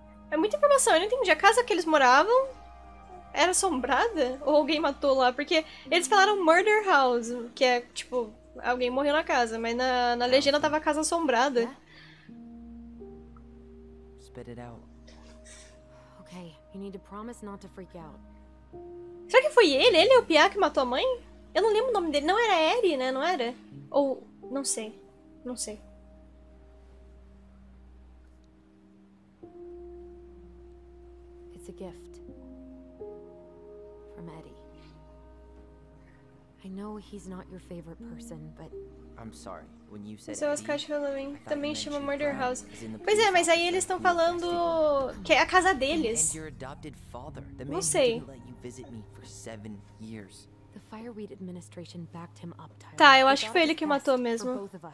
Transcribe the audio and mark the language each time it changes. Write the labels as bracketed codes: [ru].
[pt] É muita informação, eu não entendi. A casa que eles moravam era assombrada? Ou alguém matou lá? Porque eles falaram murder house, que é tipo, alguém morreu na casa, mas na legenda tava a casa assombrada. [en] Spit it out. Okay, you need to promise not to freak out. [pt] Será que foi ele? Ele é o Pia que matou a mãe? Eu não lembro o nome dele. Não era Eri, né? Não era? Ou... não sei. Não sei. [en] It's a gift from Eddie. I know he's not your favorite person, but I'm sorry. When you said [pt] Eddie, so Eddie, Halloween, também chama Murder House. Pois é, mas aí eles estão falando que é a casa deles. Não sei. [en] Visit me for 7 years. The Fireweed administration backed him up, Tyler. [pt] Tá, eu acho que foi ele que matou mesmo.